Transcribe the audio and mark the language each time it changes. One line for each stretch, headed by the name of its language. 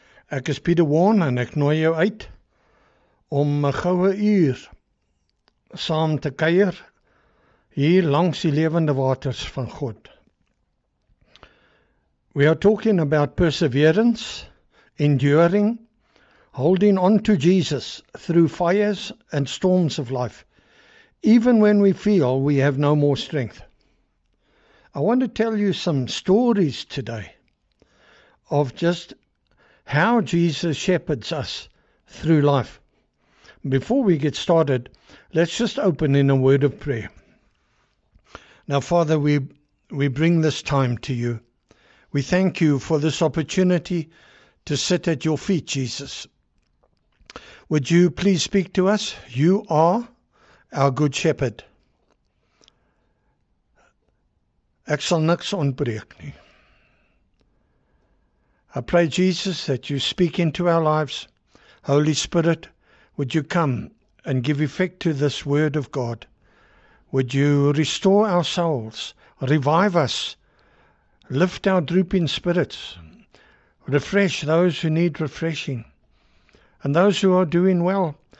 Afrikaans: Ek is Peter Warne en ek nooi jou uit om 'n goue uur saam te kuier hier langs die lewende waters van God.
English: We are talking about perseverance, enduring, holding on to Jesus through fires and storms of life, even when we feel we have no more strength. I want to tell you some stories today of just how Jesus shepherds us through life. Before we get started, let's just open in a word of prayer. Now, Father, we bring this time to you. We thank you for this opportunity to sit at your feet, Jesus. Would you please speak to us? You are our good shepherd.
Afrikaans: Ek sal niks ontbreek nie.
English: I pray, Jesus, that you speak into our lives. Holy Spirit, would you come and give effect to this word of God? Would you restore our souls, revive us, lift our drooping spirits, refresh those who need refreshing, and those who are doing well?